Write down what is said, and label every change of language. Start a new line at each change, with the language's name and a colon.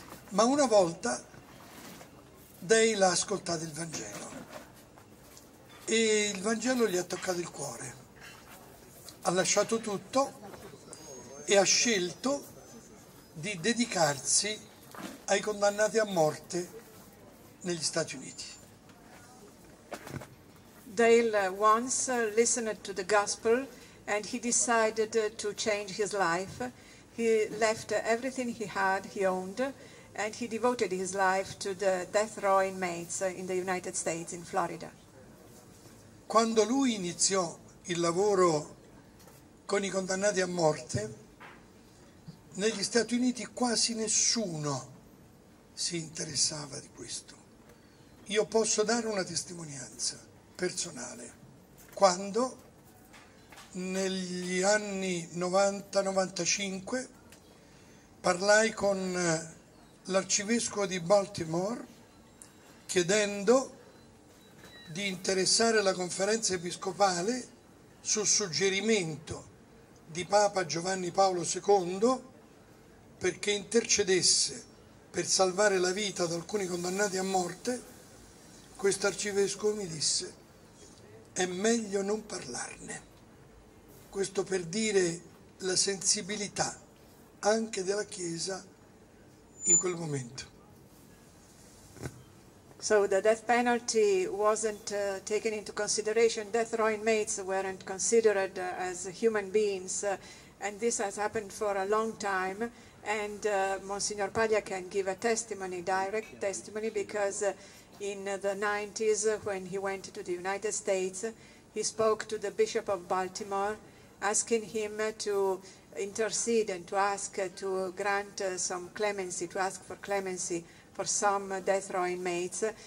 Italian: Ma una volta Dale ha ascoltato il Vangelo e il Vangelo gli ha toccato il cuore. ha lasciato tutto e ha scelto di dedicarsi ai condannati a morte negli Stati Uniti.
English: Dale once listened to the gospel and he decided to change his life. He left everything he had, he owned, and he devoted his life to the death row inmates in the United States, in Florida.
Italian: Quando lui iniziò il lavoro con i condannati a morte, negli Stati Uniti quasi nessuno si interessava di questo. Io posso dare una testimonianza personale. Quando negli anni 90-95 parlai con l'arcivescovo di Baltimore chiedendo di interessare la conferenza episcopale sul suggerimento di Papa Giovanni Paolo II perché intercedesse per salvare la vita di alcuni condannati a morte, questo arcivescovo mi disse: è meglio non parlarne. Questo per dire la sensibilità anche della Chiesa in quel momento.
English: So the death penalty wasn't taken into consideration. Death row inmates weren't considered as human beings, and this has happened for a long time. And Monsignor Paglia can give a testimony, direct testimony, because in the 90s, when he went to the United States, he spoke to the Bishop of Baltimore, asking him to intercede and to ask to grant some clemency, to ask for clemency for some death row inmates.